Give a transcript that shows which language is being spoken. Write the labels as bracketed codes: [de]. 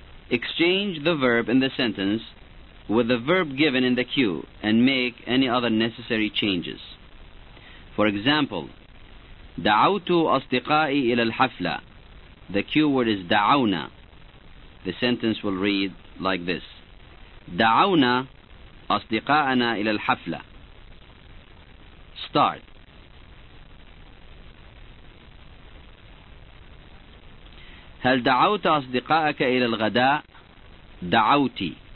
[en] Exchange the verb in the sentence with the verb given in the cue and make any other necessary changes. For example, [ar] دعوت أصدقائي إلى الحفلة. [en] The cue word is دعونا. The sentence will read like this. [ar] دعونا أصدقاءنا إلى الحفلة. [en] Start. [ar] هل دعوت أصدقائك إلى الغداء؟ دعوتي.